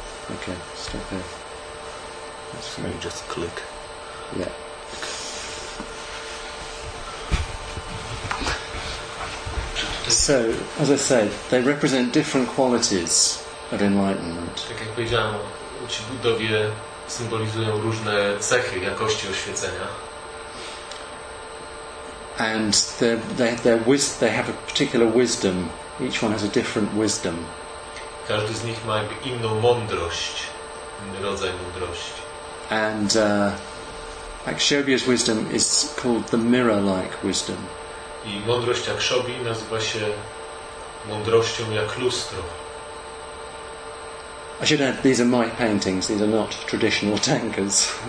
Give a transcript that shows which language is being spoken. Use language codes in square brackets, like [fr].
[en] Okay, stop there. That's fine. You just click. Yeah. So, as I said, they represent different qualities of enlightenment. [pl] Ci budowie symbolizują różne cechy, jakości oświecenia. [en] And they have a particular wisdom. Each one has a different wisdom. [pl] Każdy z nich ma inną mądrość, inny rodzaj mądrości. [en] And Akshobhya's wisdom is called the mirror-like wisdom. [pl] I mądrość Akshobhyi nazywa się mądrością jak lustro. [en] I should add, these are my paintings, these are not traditional tankers.